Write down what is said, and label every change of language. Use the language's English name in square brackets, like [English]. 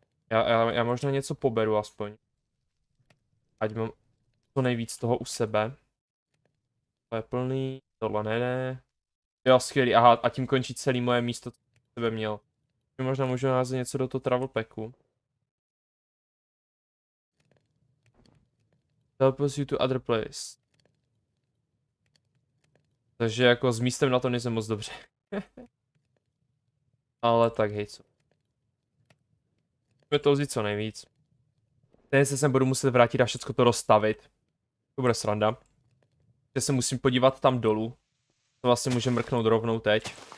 [Czech] Já možná něco poberu aspoň. Ať mám co nejvíc toho u sebe. To je plný, tohle nejde. Jo, skvělý, aha, a tím končí celý moje místo, co u sebe měl. Možná můžu naházet něco do toho travel packu. [English] Teleport you to other place. [Czech] Takže jako s místem na to nejsem moc dobře. Ale tak hej, co. Můžeme to vzít co nejvíc. Teď se sem budu muset vrátit a všechno to rozstavit. To bude sranda. Že se musím podívat tam dolů. To vlastně můžeme mrknout rovnou teď.